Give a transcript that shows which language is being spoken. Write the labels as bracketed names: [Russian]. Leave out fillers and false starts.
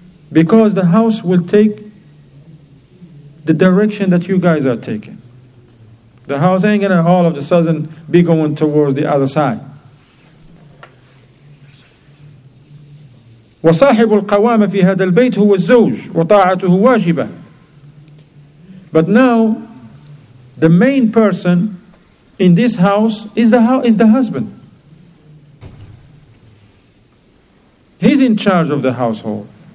[English] Because the house will take the direction that you guys are taking. The house ain't gonna all of a sudden be going towards the other side. [Arabic] وصاحب القوام في هذا البيت هو الزوج وطاعته واجبة. [English] But now, the main person in this house is the husband. He's in charge of the household.